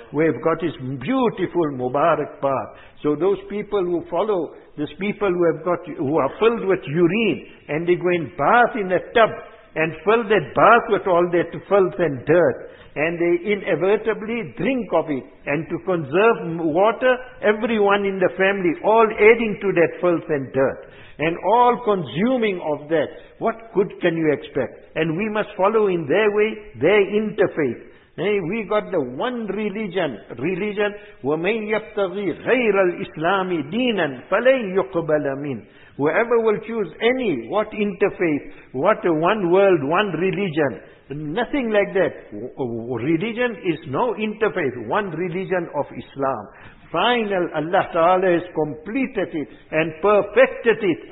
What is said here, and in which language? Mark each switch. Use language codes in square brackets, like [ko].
[en] We have got his beautiful Mubarak path. So those people who follow, these people who are filled with urine, and they go and bath in a tub, and fill that bath with all that filth and dirt, and they inevitably drink of it, and to conserve water, everyone in the family, all adding to that filth and dirt, and all consuming of that, what good can you expect? And we must follow in their way, their interfaith. We got the one religion, [ar] وَمَنْ يَبْتَغِي غَيْرَ الْإِسْلَامِ دِينًا فَلَنْ يُقْبَلَ مِنْ. [en] Whoever will choose what interfaith, what one world, one religion, nothing like that. Religion is no interfaith, one religion of Islam. Final, Allah Ta'ala has completed it and perfected it.